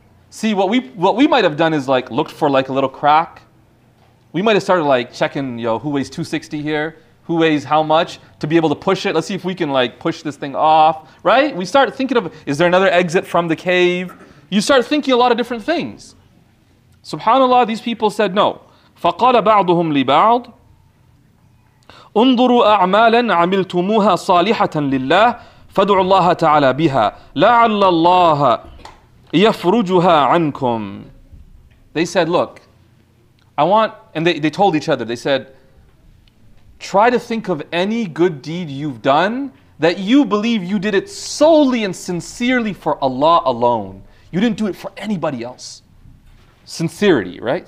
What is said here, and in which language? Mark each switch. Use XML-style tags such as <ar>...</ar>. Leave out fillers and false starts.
<en>See, what we might have done is like looked for like a little crack. We might have started like checking, yo, who weighs 260 here? Who weighs how much to be able to push it? Let's see if we can like push this thing off, right? We start thinking of, is there another exit from the cave? You start thinking a lot of different things. Subhanallah, these people said no.</en> <ar>فَقَالَ بَعْضُهُمْ لِبَعْضٍ انظروا أعمالا عملتموها صالحة لله فادعوا الله تعالى بها لعل الله يفرجها عنكم.</ar> <en>They said, look, I want, and they told each other, they said, try to think of any good deed you've done that you believe you did it solely and sincerely for Allah alone. You didn't do it for anybody else. Sincerity, right?</en>